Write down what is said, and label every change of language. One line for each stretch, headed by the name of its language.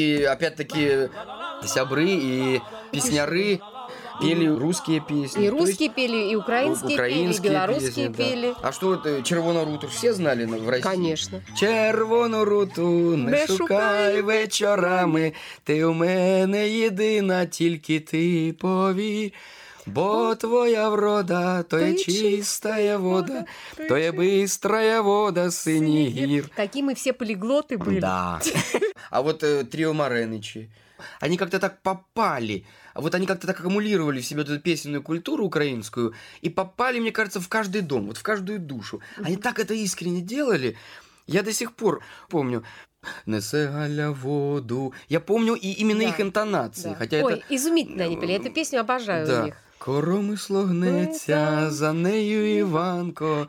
Russian: И опять-таки сябры и песняры пели русские песни. И русские есть, пели, и украинские пели, и белорусские пели. Да. А что это, Червону Руту все знали в России? Конечно.
Ukrainian: Червону Руту не шукай вечорами, ти у мене єдина, тільки ти повір. Бо твоя врода, то є чистая вода, то є бистрая вода, синій гір. Такі ми всі поліглоти були.
Russian: Да.
Ukrainian: А от Тріо Мареничі, вони як-то так попали.
Russian: Вот они как-то так аккумулировали в себе эту песенную культуру украинскую и попали, мне кажется, в каждый дом, вот в каждую душу. Они так это искренне делали. Я до сих пор помню. «Несе Галя воду». Я помню и именно их интонации. Да. Хотя ой, это... изумительно они пели. Эту песню обожаю да. у них.
Ukrainian: «Коромисло гнеться, за нею Іванко,